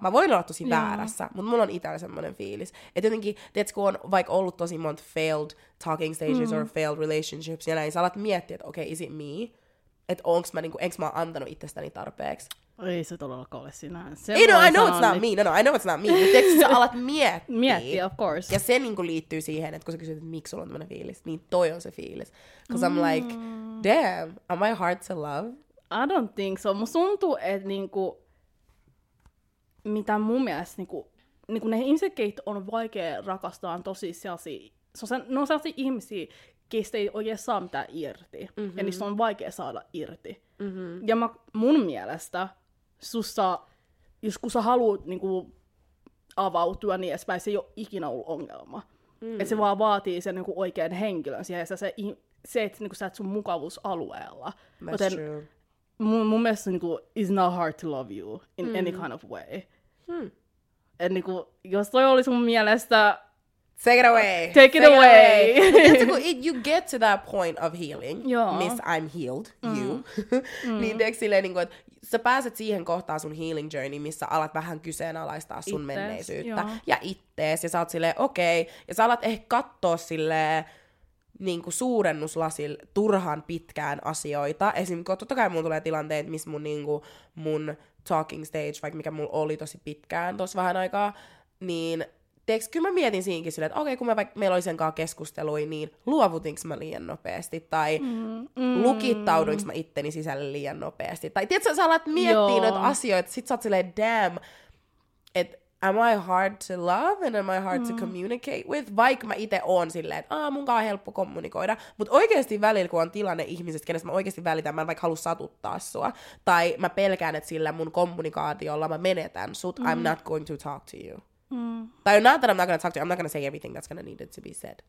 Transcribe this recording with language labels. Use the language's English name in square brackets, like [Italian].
[Finnish] Mä voin olla tosi väärässä, mutta mulla on itsellä semmoinen fiilis. Että jotenkin, tiedätkö, kun on vaikka ollut tosi monta [English] failed talking stages or failed relationships [Finnish] ja näin, sä alat miettiä, että okei, okay, [English] is it me? [Finnish] Että onks mä, niinku, enks mä oon antanut itsestäni tarpeeksi? Ei se todellakaan ole sinä. [English] Ei, no, I know it's not me. No, I know it's not me. [Finnish] Mutta sä alat miettiä. Miettiä, [English] of course. [Finnish] Ja se niinku liittyy siihen, että kun sä kysyt, että miksi sulla on tämmöinen fiilis, niin toi on se fiilis. [English] Because I'm like, damn, am I hard to love? I don't think so. [Finnish] Musta tuntuu, että niinku mitä mun mielestä, niinku ne ihmiset, keitä on vaikea rakastaa, on tosi sellaisia, se on sellaisia ihmisiä, keistä ei oikein saa mitään irti. Mm-hmm. Ja niistä on vaikea saada irti. Mm-hmm. Ja mun mielestä, sussa, jos kun sä haluat niinku avautua, niin edespäin, se ei ole ikinä ollut ongelma. Mm-hmm. Et se vaan vaatii sen niinku oikean henkilön siihen, ja se että niinku sä et sun mukavuusalueella. [English] That's joten, true. [Finnish] Mun mielestä niinku, [English] it's not hard to love you in any kind of way. Hmm. [Finnish] Et niinku, jos toi oli sun mielestä... [English] Take it away! Take it away! You get to that point of healing, miss I'm healed, you. [Finnish] Niin teekö silleen, niinku, että sä pääset siihen kohtaan sun healing journey, missä alat vähän kyseenalaistaa sun ittees, menneisyyttä. Joo. Ja ittees, ja sä oot silleen, okei. Okay. Ja sä alat ehkä kattoo silleen, niinku suurennuslasil turhan pitkään asioita. Esimerkiksi totta kai mulla tulee tilanteet, missä mun, niinku, mun talking stage, vaikka mikä mulla oli tosi pitkään tossa vähän aikaa, niin teeks, kyllä mä mietin siinkin silleen, että okei, kun mä vaikka meillä oli sen kanssa keskustelui, niin luovutinko mä liian nopeasti? Tai lukittauduinko mä itteni sisälle liian nopeasti? Tai tiedätkö, sä alat miettiä noita asioita, sit sä oot silleen, damn, et [English] am I hard to love and am I hard to communicate with? [Finnish] Vaikka mä ite oon silleen, että munkaan on helppo kommunikoida. Mut oikeesti välillä, kun on tilanne ihmisestä, kenestä mä oikeesti välitän, mä en vaikka halua satuttaa sua. Tai mä pelkään, että sillä mun kommunikaatiolla mä menetän sut. [English] I'm not going to talk to you. Tai not that I'm not gonna talk to you, I'm not gonna say everything that's gonna need it to be said.